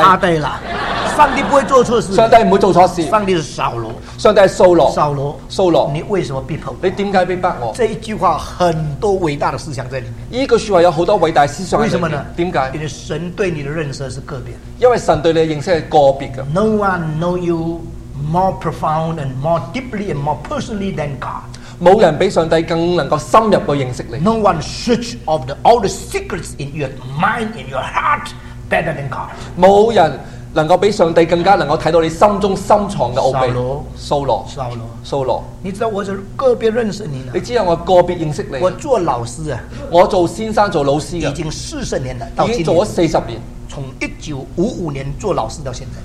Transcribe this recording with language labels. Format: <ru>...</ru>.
<zh>下帝了。上帝不会做错事。上帝不会做错事。上帝是扫罗。上帝是扫罗。扫罗。扫罗。你为什么逼迫我？你为什么逼迫我？这一句话很多伟大的思想在里面。这个说话有很多伟大的思想在里面。为什么呢？为什么？因为神对你的认识是个别。因为神对你的认识是个别的。</zh> <en>No one knows you more profound and more deeply and more personally than God.</en> <zh>没人比上帝更能够深入地认识你。</zh> <en>No one searches of all the secrets in your mind, in your heart, better than God.</en> <zh>没人能够比上帝更加能够看到你心中深藏的奥秘。扫罗，你知道我是个别认识你的。你知道我个别认识你。我做老师啊，我做先生做老师已经40年了，已经做了40年。从1955年做老师到现在，</zh>